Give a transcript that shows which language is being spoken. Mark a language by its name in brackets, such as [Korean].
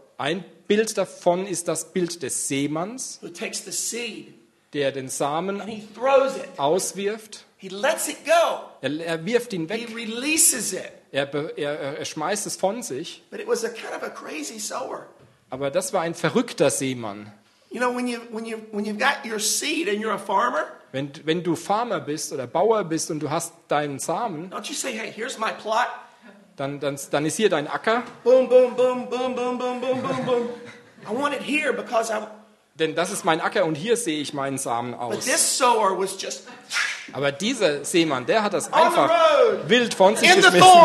[German] Ein Bild davon ist das Bild des Sämanns. [English] Who takes the seed. [German] Der den Samen [English] and he throws it. [German] Auswirft. [English] He lets it go. [German] Er wirft ihn weg. [English] He releases it. [German] Er schmeißt es von sich. [English] But it was a kind of a crazy sower. [German] Aber das war ein verrückter Seemann. [English] You know, when you've got your seed and you're a farmer. [German] Wenn du Farmer bist oder Bauer bist und du hast deinen Samen. [English] Don't you say, hey, here's my plot. [German] Dann ist hier dein Acker. [English] Boom, boom, boom, boom, boom, boom, boom, boom, boom. I want it here because I'm. [German] Denn das ist mein Acker und hier sehe ich meinen Samen aus. [English] But this sower was just. [German] Aber dieser Seemann, der hat das einfach wild von sich geschmissen.